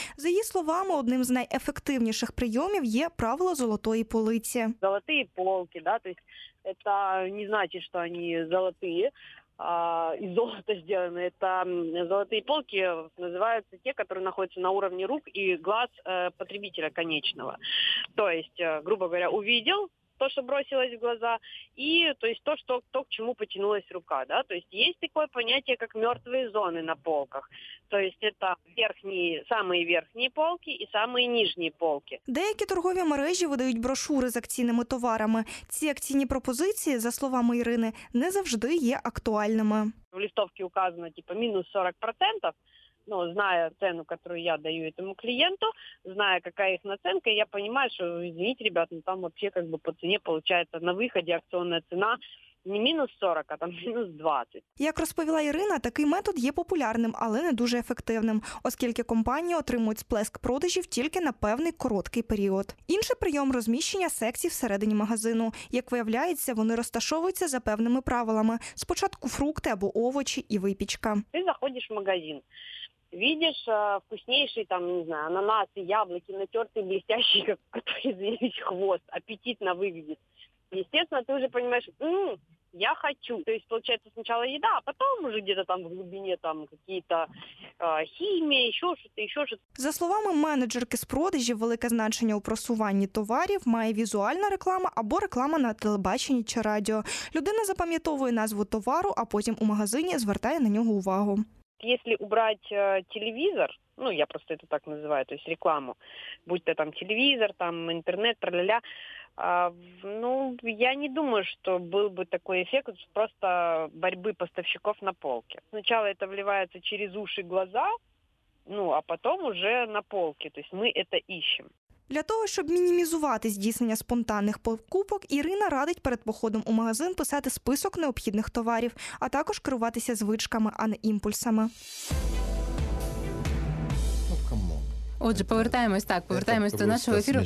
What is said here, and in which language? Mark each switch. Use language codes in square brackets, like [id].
[uk] За її словами, одним з найефективніших прийомів є правило золотої полиці. Золоті полки, да, тобто це не значить, що вони золоті, а із золота зроблені. Це золоті полки називаються ті, які знаходяться на рівні рук і [ru] глаз потребителя кінечного. Тобто, грубо говоря, увидів то, что бросилось в глаза, и то есть то, что то, к чему потянулась рука, да, то есть такое понятие, как мертвые зоны на полках. То есть это верхние, самые верхние полки и самые нижние полки. [uk] Деякі торгові мережі видають брошури з акційними товарами. Ці акційні пропозиції, за словами Ірини, не завжди є актуальними. [ru] В листовке указано типа минус 40%. Ну, зная цену, которую я даю этому клиенту, зная, какая их наценка, я понимаю, что, извините, ребят, но там вообще как бы по цене получается на выходе акционная цена не минус 40, а там минус 20. [uk] Як розповіла Ірина, такий метод є популярним, але не дуже ефективним, оскільки компанії отримують сплеск продажів тільки на певний короткий період. Інший прийом – розміщення секцій всередині магазину. Як виявляється, вони розташовуються за певними правилами. Спочатку фрукти або овочі і випічка. Ти заходиш в магазин. [ru] Видишь вкуснейшие там, не знаю, ананасы, яблоки, натертые, блестящие, которые, извините, хвост, аппетитно выглядит. Естественно, ты уже понимаешь, я хочу. То есть получается сначала еда, а потом уже где-то там в глубине там какие-то химии, еще что-то. [uk] За словами менеджерки з продажів, велике значення у просуванні товарів має візуальна реклама або реклама на телебаченні чи радіо. Людина запам'ятовує назву товару, а потім у магазині звертає на нього увагу. [ru] Если убрать телевизор, ну, я просто это так называю, то есть рекламу, будь то там телевизор, там интернет, тра-ля-ля, ну, я не думаю, что был бы такой эффект просто борьбы поставщиков на полке. Сначала это вливается через уши, глаза, ну, а потом уже на полке, то есть мы это ищем. [uk] Для того, щоб мінімізувати здійснення спонтанних покупок, Ірина радить перед походом у магазин писати список необхідних товарів, а також керуватися звичками, а не імпульсами. Отже, повертаємось до нашого ефіру.